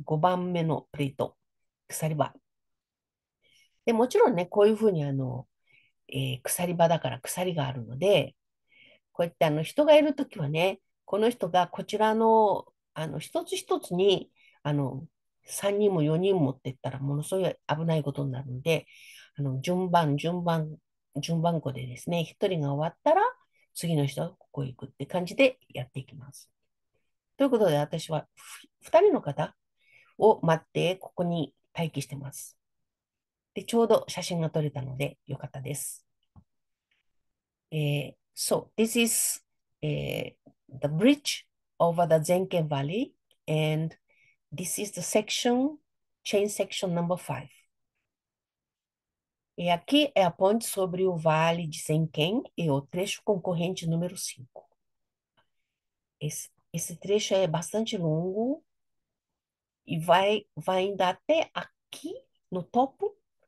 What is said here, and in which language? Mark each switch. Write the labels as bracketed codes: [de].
[ja] 5番目のプレート、鎖場。で、もちろんね、こういうふうに鎖場だから鎖があるので、こうやって人がいるときはね、この人がこちらの、一つ一つに、3人も4人もって言ったらものすごい危ないことになるので、順番子でですね、1人が終わったら次の人がここ行くって感じでやっていきます。ということで、私は2人の方を待ってここに待機してます。で、ちょうど写真が撮れたのでよかったです。 [en] So, this is, the bridge over the Zenken Valley, and this is the section, chain section number 5. [pt] E aqui é a ponte sobre o Vale de Zenken e o trecho concorrente número 5. Esse trecho é bastante longo e vai indo até aqui no topo.